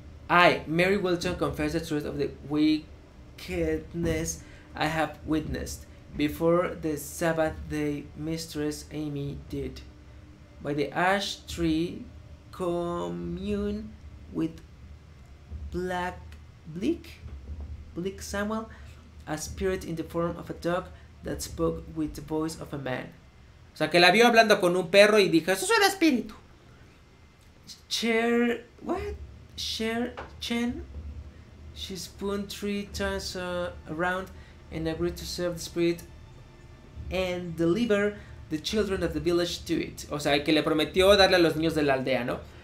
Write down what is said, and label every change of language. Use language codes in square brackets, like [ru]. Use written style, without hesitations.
[en] I, Mary Wilton, confess the truth of the wickedness I have witnessed before the Sabbath day Mistress Amy did. By the ash tree, commune with Bleak Samuel, a spirit in the form of a dog that spoke with the voice of a man. [es] O sea, que la vio hablando con un perro y dijo, eso es un espíritu. Chen, [en] she spun 3 times around and agreed to serve the spirit and deliver the children of the village to it. [es] O sea, que le prometió darle a los niños de la aldea, ¿no?